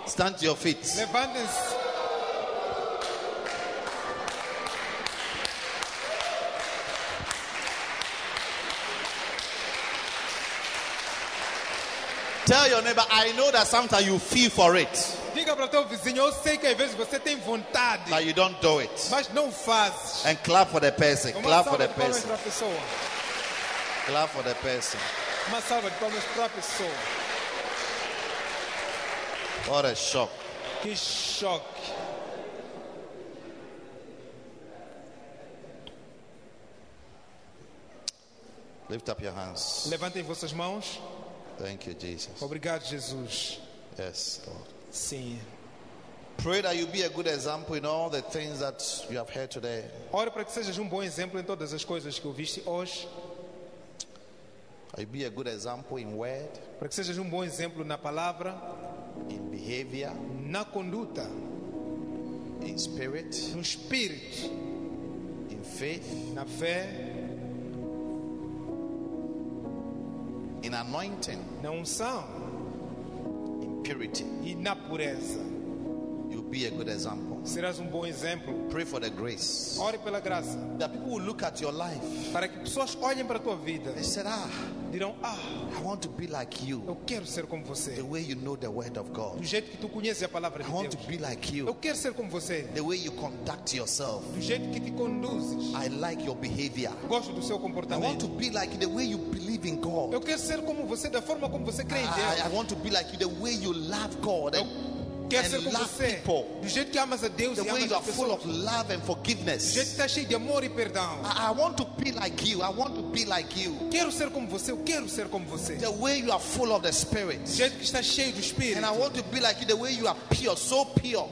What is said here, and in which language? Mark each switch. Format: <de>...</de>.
<en>Stand to your feet.</en> <pt>Levantem-se.</pt> <en>Tell your neighbor, I know that sometimes you feel for it.</en> <pt>Diga para o teu vizinho, eu sei que às vezes você tem vontade.</pt> <en>But you don't do it.</en> <pt>Mas não faz.</pt> <en>And clap for the person. Clap for the person.</en> <pt>Uma salva de palmas para a</pt> <en>pessoa. Clap for the person.</en> <pt>Uma salva de palmas para a pessoa.</pt> <en>What a shock.</en> <pt>Que shock.</pt> <en>Lift up your hands.</en> <pt>Levantem vossas mãos.</pt> <en>Thank you, Jesus.</en> <pt>Obrigado, Jesus.</pt> <en>Yes, Lord.</en> <pt>Sim.</pt> <en>Pray that you be a good example in all the things that you have heard today.</en> <pt>Ore para que sejas bom exemplo em todas as coisas que ouviste hoje.</pt> <en>I be a good example in word.</en> <pt>Para que sejas bom exemplo na palavra.</pt> <en>In behavior.</en> <pt>Na conduta.</pt> <en>In spirit.</en> <pt>No espírito.</pt> <en>In faith.</en> <pt>Na fé.</pt> <en>In anointing.</en> <pt>Na unção.</pt> <en>Purity.</en> <pt>E na pureza.</pt> <en>You'll be a good example.</en> <pt>Serás bom exemplo.</pt> <en>Pray for the grace.</en> <pt>Ore pela graça.</pt> <en>That people will look at your life.</en> <pt>Para que pessoas olhem para tua vida. E será? Dirão, ah,</pt> <en>I want to be like you.</en> <pt>Eu quero ser como você.</pt> <en>The way you know the word of God.</en> <pt>Do jeito que tu conheces a palavra de Deus.</pt> <en>I want to be like you.</en> <pt>Eu quero ser como você.</pt> <en>The way you conduct yourself.</en> <pt>Do jeito que te conduzes.</pt> <en>I like your behavior.</en> <pt>Gosto do seu comportamento.</pt> <en>I want to be like the way you believe in God.</en> <pt>Eu quero ser como você da forma como você crê em Deus.</pt> <en>I want to be like you the way you love God.</en> <pt>Eu quero ser como você.</pt> <en>People.</en> <pt>Do jeito que amas a Deus</pt> <en>the</en> <pt>e</pt> <en>way</en> <pt>amas</pt> <en>you</en> <pt>a pessoa.</pt> <en>Full of love and forgiveness.</en> <pt>Do jeito que está cheio de amor e perdão.</pt> <en>I want to be like you. I want to be like you.</en> <pt>Quero ser como você. Eu quero ser como você.</pt> <en>The way you are full of the spirit.</en> <pt>Do jeito que está cheio do espírito.</pt> <en>And I want to be like you the way you are pure, so pure.</en>